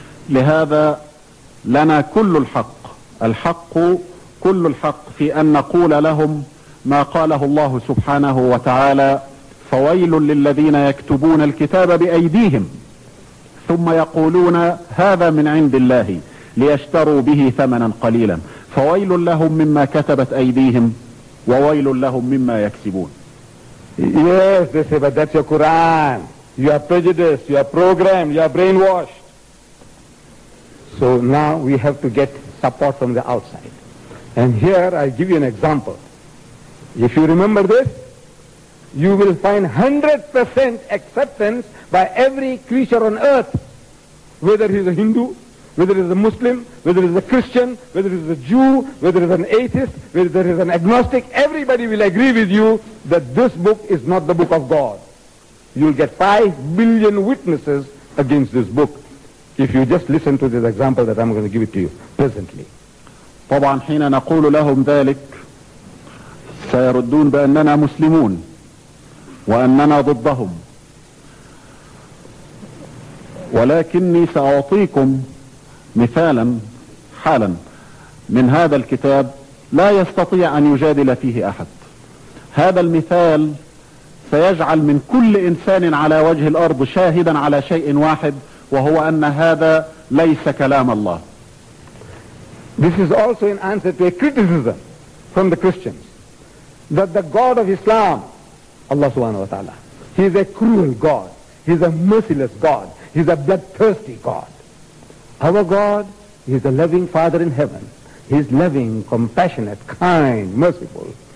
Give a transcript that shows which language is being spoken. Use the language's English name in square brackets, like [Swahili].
[Arabic] لهذا لنا كل الحق، الحق كل الحق في أن نقول لهم ما قاله الله سبحانه وتعالى، فويل للذين يكتبون الكتاب بأيديهم ثم يقولون هذا من عند الله ليشتروا به ثمنا قليلا، فويل لهم مما كتبت أيديهم وويل لهم مما يكسبون. [English] Yes, they say, but that's your Quran. You are prejudiced, you are programmed, you are brainwashed. So now we have to get support from the outside. And here I give you an example. If you remember this, you will find 100% acceptance by every creature on earth, whether he's a Hindu, whether he's a Muslim, whether he's a Christian, whether he's a Jew, whether he's an atheist, whether he's an agnostic, everybody will agree with you that this book is not the book of God. You'll get 5 billion witnesses against this book if you just listen to this example that I'm going to give it to you presently. [Arabic] طبعا حين نقول لهم ذلك سيردون بأننا مسلمون وأننا ضدهم، ولكني سأعطيكم مثالا حالا من هذا الكتاب لا يستطيع أن يجادل فيه أحد. هذا المثال سيجعل من كل إنسان على وجه الأرض شاهدا على شيء واحد، وهو أن هذا ليس كلام الله. [English] This is also in answer to a criticism from the Christians that the God of Islam, Allah subhanahu wa ta'ala, he is a cruel God, he is a merciless God, he is a bloodthirsty God. Our God is the loving Father in heaven. He is loving, compassionate, kind, merciful.